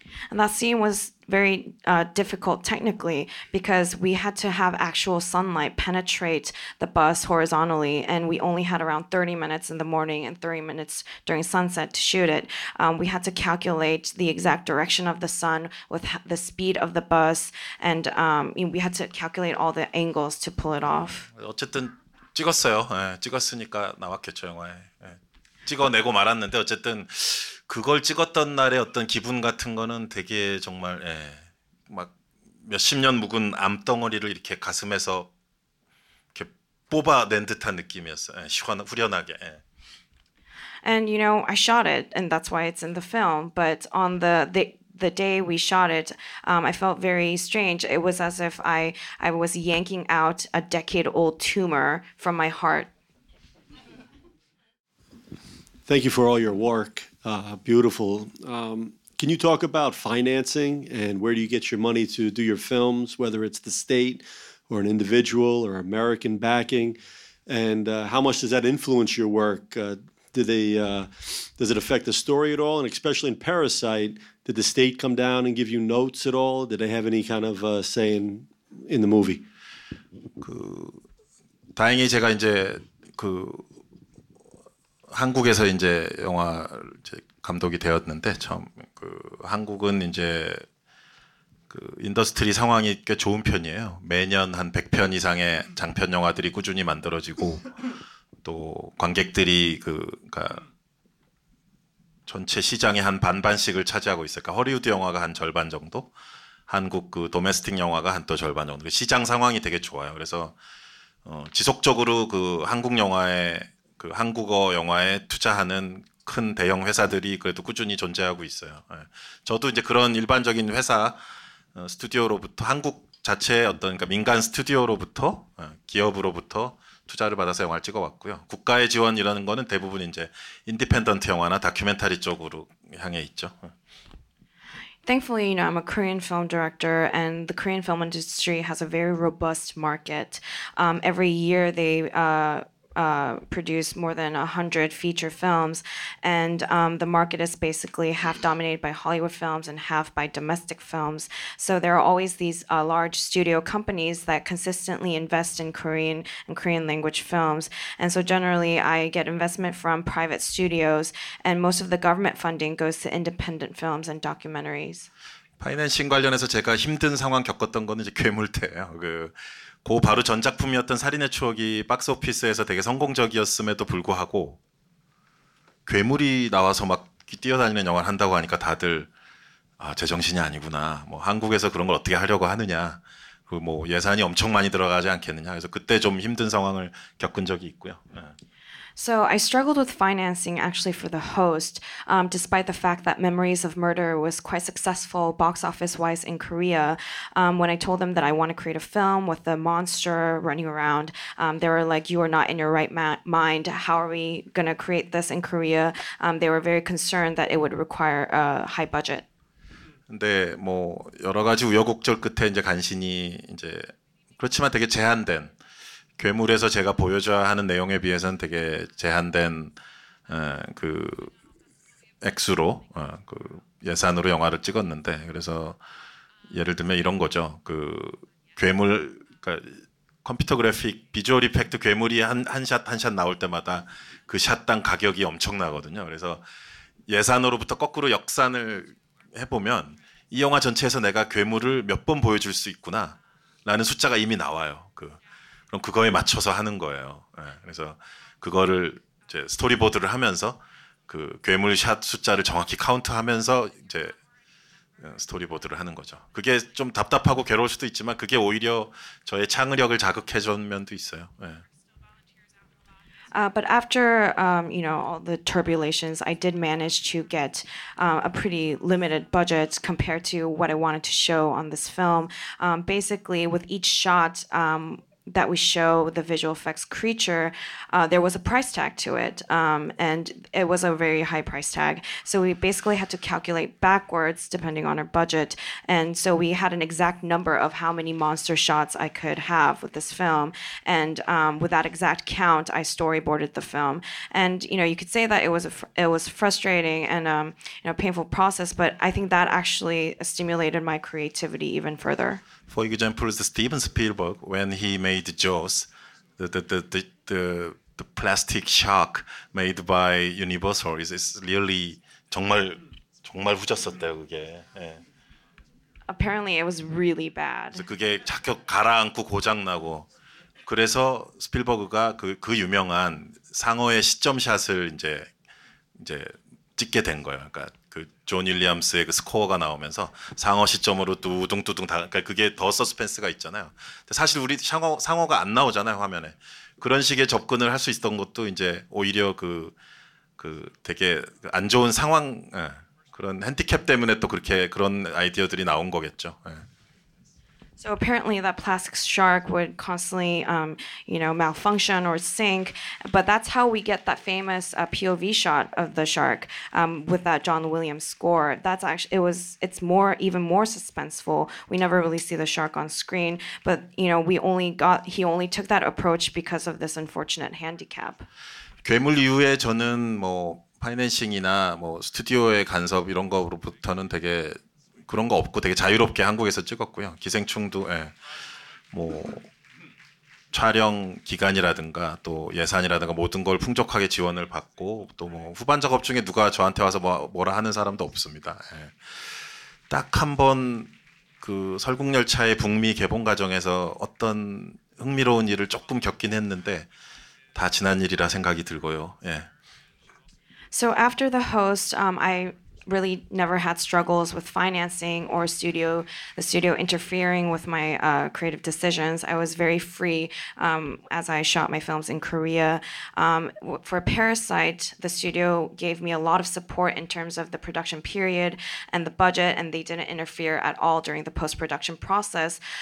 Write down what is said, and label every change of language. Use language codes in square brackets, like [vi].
[en] And that scene was very difficult technically because we had to have actual sunlight penetrate the bus horizontally, and we only had around 30 minutes in the morning and 30 minutes during sunset to shoot it. We had to calculate the exact direction of the sun with the speed of the bus, and we had to calculate all the angles to pull it off. [ko] 어쨌든 찍었어요. 예, 찍었으니까 나왔겠죠, 영화에. 예. 찍어내고 말았는데 어쨌든 그걸 찍었던 날의 어떤 기분 같은 거는 되게 정말, 예, 막 몇십 년 묵은 암덩어리를 이렇게 가슴에서 이렇게 뽑아낸 듯한 느낌이었어요. 예, 후련하게. 예. [en] And you know, I shot it, and that's why it's in the film. But on the day we shot it, I felt very strange. It was as if I was yanking out a decade-old tumor from my heart. Thank you for all your work. Beautiful. Can you talk about financing and where do you get your money to do your films, whether it's the state or an individual or American backing? And how much does that influence your work? Does it affect the story at all? And especially in Parasite, did the state come down and give you notes at all? Did they have any kind of say in the movie? [ko] 그 다행히 제가 이제 그 한국에서 이제 영화 이제 감독이 되었는데, 처음 그 한국은 이제 그 인더스트리 상황이 꽤 좋은 편이에요. 매년 한 100편 이상의 장편 영화들이 꾸준히 만들어지고, 또 관객들이 그러니까 전체 시장의 한 반반씩을 차지하고 있을까. 헐리우드 영화가 한 절반 정도, 한국 그 도메스틱 영화가 한 또 절반 정도. 그 시장 상황이 되게 좋아요. 그래서 지속적으로 그 한국 영화에 그 한국어 영화에 투자하는 큰 대형 회사들이 그래도 꾸준히 존재하고 있어요. 예. 저도 이제 그런 일반적인 회사 스튜디오로부터, 한국 자체의 어떤, 그러니까 민간 스튜디오로부터, 기업으로부터 투자를 받아서 영화를 찍어왔고요. 국가의 지원이라는 거는 대부분 이제 인디펜던트 영화나 다큐멘터리 쪽으로 향해 있죠. [en] Thankfully, you know, I'm a Korean film director, and the Korean film industry has a very robust market. Every year they produce more than 100 feature films, and the market is basically half dominated by Hollywood films and half by domestic films. So there are always these large studio companies that consistently invest in Korean and Korean language films. And so generally I get investment from private studios, and most of the government funding goes to independent films and documentaries. [ko] 파이낸싱 관련해서 제가 힘든 상황 겪었던 거는 이제 괴물태예요. 그 바로 전 작품이었던 살인의 추억이 박스오피스에서 되게 성공적이었음에도 불구하고 괴물이 나와서 막 뛰어다니는 영화를 한다고 하니까 다들 아, 제정신이 아니구나. 뭐 한국에서 그런 걸 어떻게 하려고 하느냐. 그 뭐 예산이 엄청 많이 들어가지 않겠느냐. 그래서 그때 좀 힘든 상황을 겪은 적이 있고요. 예. [en] So I struggled with financing actually for The Host, despite the fact that Memories of Murder was quite successful box office-wise in Korea. When I told them that I want to create a film with the monster running around, they were like, you are not in your right mind. How are we going to create this in Korea? They were very concerned that it would require a high budget. [ko] 근데 뭐 여러 가지 우여곡절 끝에 이제 간신히 이제 그렇지만 되게 제한된 괴물에서 제가 보여줘야 하는 내용에 비해서는 되게 제한된 그 액수로 그 예산으로 영화를 찍었는데, 그래서 예를 들면 이런 거죠. 그 괴물, 그러니까 컴퓨터 그래픽 비주얼 이펙트 괴물이 한 샷 나올 때마다 그 샷당 가격이 엄청나거든요. 그래서 예산으로부터 거꾸로 역산을 해보면 이 영화 전체에서 내가 괴물을 몇 번 보여줄 수 있구나 라는 숫자가 이미 나와요. 그럼 그거에 맞춰서 하는 거예요. 네, 그래서 그거를 이제 스토리보드를 하면서 그 괴물 샷 숫자를 정확히 카운트하면서 이제 스토리보드를 하는 거죠. 그게 좀 답답하고 괴로울 수도 있지만 그게 오히려 저의 창의력을 자극해 준 면도 있어요. 네. [en] But after you know, all the turbulations, I did manage to get a pretty limited budget compared to what I wanted to show on this film. Basically, with each shot that we show the visual effects creature, there was a price tag to it, and it was a very high price tag. So we basically had to calculate backwards depending on our budget, and so we had an exact number of how many monster shots I could have with this film, and with that exact count, I storyboarded the film. And you know, you could say that it was frustrating and you know, painful process, but I think that actually stimulated my creativity even further. For example, Steven Spielberg, when he made Jaws, the plastic shark made by Universal is really [ko] 정말 후졌었대요 그게. 예. [en] Apparently, it was really bad. [ko] 그게 자격 가라앉고 고장 나고 그래서 스필버그가 그 유명한 상어의 시점 샷을 이제 찍게 된 거예요. 그러니까 그 존 윌리엄스의 그 스코어가 나오면서 상어 시점으로 두둥두둥 다 그러니까 그게 더 서스펜스가 있잖아요. 사실 우리 상어가 안 나오잖아요 화면에. 그런 식의 접근을 할 수 있었던 것도 이제 오히려 그 되게 안 좋은 상황 예, 그런 핸디캡 때문에 또 그렇게 그런 아이디어들이 나온 거겠죠. 예. [en] So apparently that plastic shark would constantly, you know, malfunction or sink. But that's how we get that famous POV shot of the shark with that John Williams score. That's actually, it's more, even more suspenseful. We never really see the shark on screen. But, you know, he only took that approach because of this unfortunate handicap. [ko] 괴물 이후에 저는 뭐 파이낸싱이나 뭐 스튜디오의 간섭 이런 거로부터는 되게 그런 거 없고 되게 자유롭게 한국에서 찍었고요. 기생충도 예. 뭐 촬영 기간이라든가 또 예산이라든가 모든 걸 풍족하게 지원을 받고 또 뭐 후반 작업 중에 누가 저한테 와서 뭐라 하는 사람도 없습니다. 예. 딱 한 번 그 설국열차의 북미 개봉 과정에서 어떤 흥미로운 일을 조금 겪긴 했는데 다 지난 일이라 생각이 들고요. 예. [en] So after the host, really never had struggles with financing or the studio interfering with my creative decisions. I was very free as I shot my films in Korea. For Parasite, the studio gave me a lot of support in terms of the production period and the budget, and they didn't interfere at all during the post-production process.